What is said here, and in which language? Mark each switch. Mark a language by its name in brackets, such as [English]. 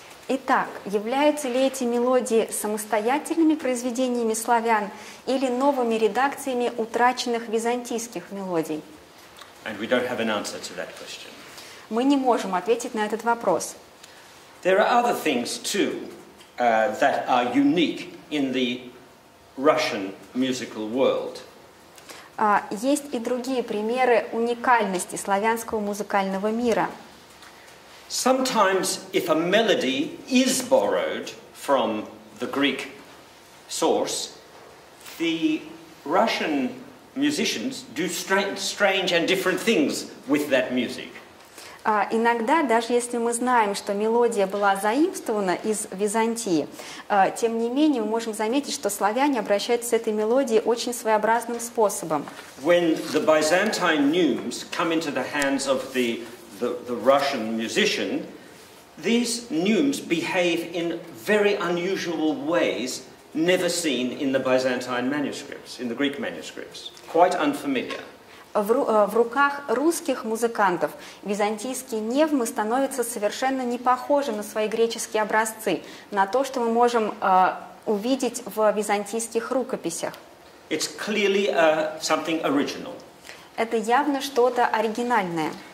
[Russian] Итак, являются ли эти мелодии самостоятельными произведениями славян или новыми редакциями утраченных византийских мелодий? [English] And we don't have an answer to that question. [Russian] Мы не можем ответить на этот вопрос. [English] There are other things too that are unique in the Russian musical world. [Russian] Есть и другие примеры уникальности славянского музыкального мира. [English] Sometimes, if a melody is borrowed from the Greek source, the Russian musicians do strange and different things with that music. [Russian] Иногда, даже если мы знаем, что мелодия была заимствована из Византии, тем не менее мы можем заметить, что славяне обращаются с этой мелодией очень своеобразным способом. [English] When the Byzantine neumes come into the hands of the Russian musician, these neumes behave in very unusual ways never seen in the Byzantine manuscripts, in the Greek manuscripts. Quite unfamiliar. [Russian] В руках русских музыкантов византийские невмы становятся совершенно не похожи на свои греческие образцы, на то, что мы можем увидеть в византийских рукописях. [English] It's clearly something original. [Russian] Это явно что-то оригинальное.